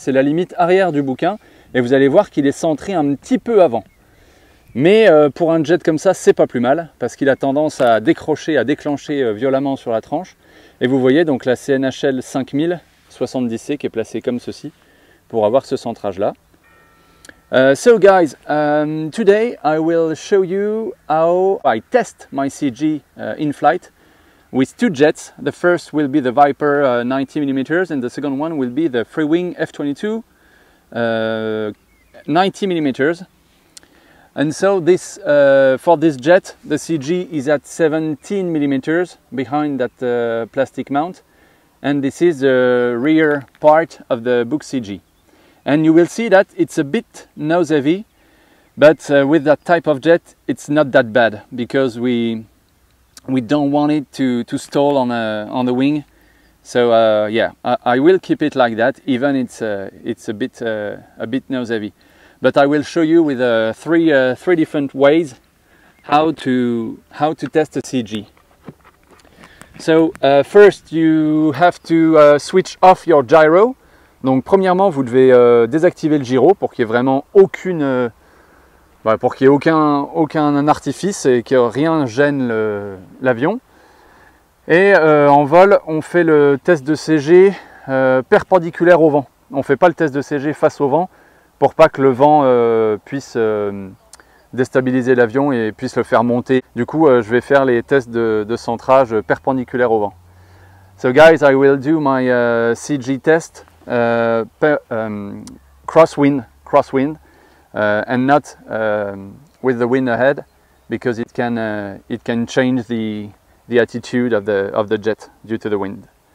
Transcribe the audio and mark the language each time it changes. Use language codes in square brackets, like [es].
[fr] C'est la limite arrière du bouquin et vous allez voir qu'il est centré un petit peu avant. Mais pour un jet comme ça, c'est pas plus mal parce qu'il a tendance à décrocher, à déclencher violemment sur la tranche. Et vous voyez donc la CNHL 5070C qui est placée comme ceci pour avoir ce centrage là. [en] So guys, today I will show you how I test my CG in flight with two jets. The first will be the Viper 90 mm and the second one will be the Freewing F22 90 mm. And so this for this jet, the CG is at 17 millimeters behind that plastic mount. And this is the rear part of the book CG. And you will see that it's a bit nose heavy, but with that type of jet, it's not that bad because we don't want it to stall on the wing. So yeah, I will keep it like that, even it's a bit nose heavy. But I will show you with three different ways how to test a CG. So first you have to switch off your gyro. [fr] Donc premièrement vous devez désactiver le gyro pour qu'il y ait vraiment aucun artifice et que rien gêne l'avion. Et en vol on fait le test de CG perpendiculaire au vent. On ne fait pas le test de CG face au vent, pour pas que le vent puisse déstabiliser l'avion et puisse le faire monter. Du coup, je vais faire les tests de centrage perpendiculaire au vent. [en] So guys, I will do my CG test crosswind, and not with the wind ahead, because it can change the attitude of the jet due to the wind.